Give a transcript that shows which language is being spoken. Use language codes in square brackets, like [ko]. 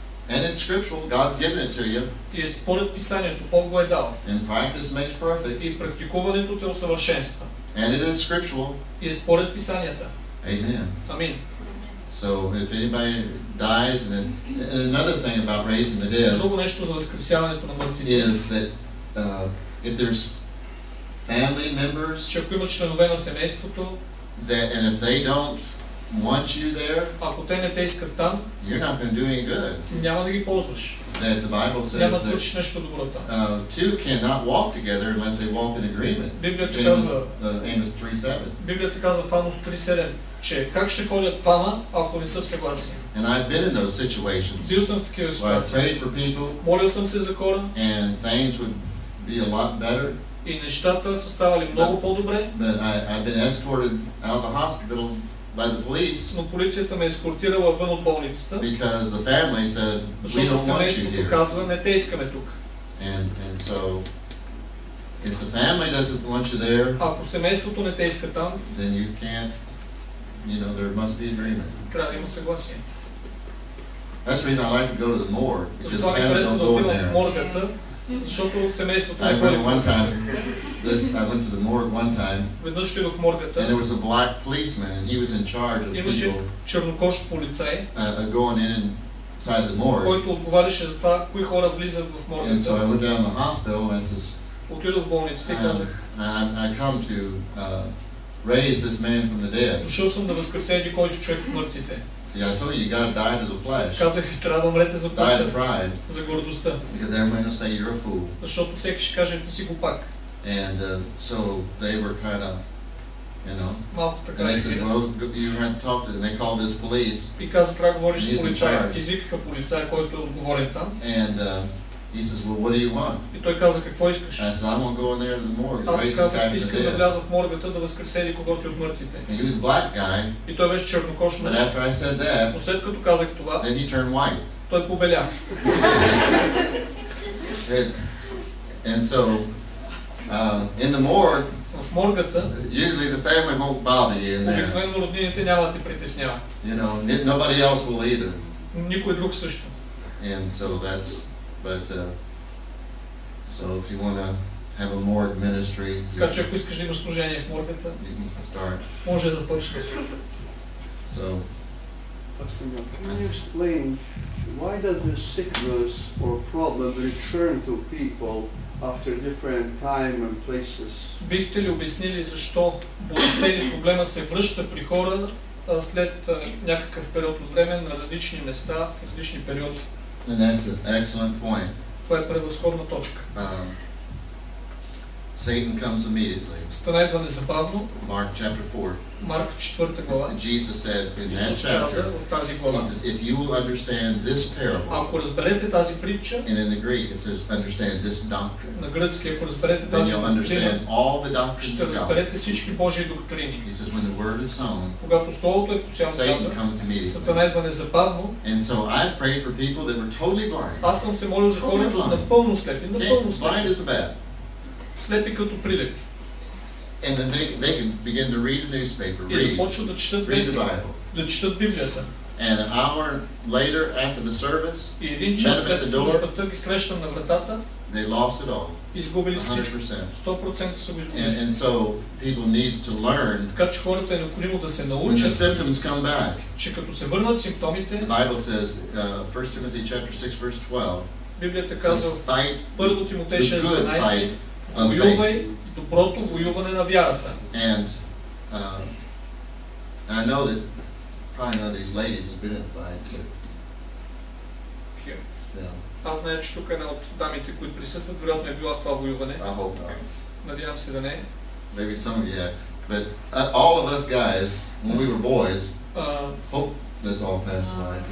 [en] And it's scriptural, God's given it to you. [bg] И е според писанието, Бог го е дал. [en] And practice makes perfect. [bg] И практикуването те усъвършенства. [en] And it is scriptural. [bg] И е според писанията. [en] Amen. [bg] Амин. [en] So if anybody dies, and another thing about raising the dead, [bg] друго нещо за възкресяването на мъртвите, [en] is that if there's family members, [bg] че ако има членове на семейството, [en] that, and if they don't want you there, [bg] ако те не те искат там, [en] you're not going to do any good. [bg] Няма да ги ползваш. [en] That the Bible says [bg] няма да свършиш that, нещо добро там. [en] Two cannot walk together unless they walk in agreement. [bg] Библията [en] Amos 3:7. [bg] Библията казва в Амос 3:7. Че как ще ходят двама, ако не са в съгласие. [en] And I've been in those situations. [bg] Бил съм в такива ситуации. Молил съм се за хора. [en] And things would be a lot better. [bg] И нещата са ставали много по-добре. [en] But I've been escorted out of the hospitals by the police. [bg] Но полицията ме ескортирала вън от болницата. [en] Because the family said, we don't want you here. [bg] Защото казва, не те искаме тук. [en] And so, if the family doesn't want you there, [bg] ако семейството не те иска там, [en] then you can't. You know, there must be agreement. [bg] Трябва да има съгласие. [en] That's the reason I like to go to the morgue, because the family don't go in there. [bg] Моргата, защото семейството не ходи. [en] I went to the morgue one time. [bg] Веднъж отидох в моргата. [en] And there was a black policeman, and he was in charge of [bg] имаше Имаше чернокож полицай. [en] Going in inside the morgue. [bg] Който отговаряше за това, кои хора влизат в моргата. [en] And so I went down to the hospital, and says, [bg] отидох в болницата и казах, [en] I come to raise this man from the dead. [bg] Дошъл съм да възкресе един кой си човек от мъртвите. [en] See, I told you, you gotta die to the flesh. [bg] Казах, трябва да умрете за пътя. [en] Die to pride. [bg] За гордостта. [en] Because everybody will say you're a fool. [bg] Защото всеки ще каже, ти си глупак. [en] And so they were kind of, you know. [bg] Малко така. [en] And they said, well, you had to talk to them. They called this police. [bg] И каза, трябва да говориш с полицая. Извикаха полицая, който е отговорен там. [en] And he says, well, what do you want? [bg] И той каза, какво искаш? [en] I said, I'm going to go in there to the morgue. [bg] Аз казах, искам да вляза в моргата да възкресе ли кого си от мъртвите. [en] And he was black guy. [bg] И той беше чернокош. [en] But after I said that, [bg] но след като казах това, [en] then he turned white. [bg] Той побеля. [en] And so, in the morgue, [bg] в моргата, [en] usually the family won't bother you in there. [bg] Обикновено роднините няма да ти притеснява. [en] You know, nobody else will either. [bg] Никой друг също. [en] And so that's, but so if you want to have a morgue ministry, [bg] ако искаш да имаш служение в моргата, [en] you can start. [bg] Може да започнеш. [en] So, can you explain why does this sickness or problem return to people after different time and places? [bg] Бихте ли обяснили защо болестта или проблема се връща при хора след някакъв период от време на различни места, различни периоди? [en] And that's an excellent point. [bg] Това е превъзходна точка. [en] Satan comes immediately. [bg] Станайва незабавно. [en] Mark chapter 4. [bg] Марк 4 глава. [en] And Jesus said in that chapter, if you will understand this parable, [bg] ако разберете тази притча, [en] and in the Greek it says understand this doctrine, [bg] на гръцки ако разберете тази притча, [en] understand all the doctrines of God, [bg] ще разберете всички Божии доктрини. [en] He says when the word is sown, [bg] когато словото е посяно, [en] Satan comes immediately. [bg] Сатана идва незабавно. [en] And so I prayed for people that were totally blind. [bg] Аз съм се молил за хора, които са напълно слепи, [en] blind as a bat. [bg] Слепи като прилеп. [en] And then they can begin to read the newspaper, read the Bible. [bg] Да четат Библията. [en] And an hour later after the service, [bg] и един час след службата ги срещам на вратата, [en] they lost it all. [bg] Изгубили си 100% са го изгубили. [en] And so people need to learn, [bg] така че хората е необходимо да се научат, [en] when the symptoms come back, [bg] че като се върнат симптомите, [en] the Bible says, 1 Timothy chapter 6 verse 12, [bg] Библията казва, fight първо Тимотей 6:12, воювай доброто воюване на вярата. [en] And I know that probably none of these ladies have been in a fight. [bg] Аз знае, че тук една от дамите, които присъстват, вероятно е била в това воюване. [en] I hope not. [bg] Надявам се да не. [en] Maybe some of you have. But all of us guys, when we were boys, hope that's all passed by.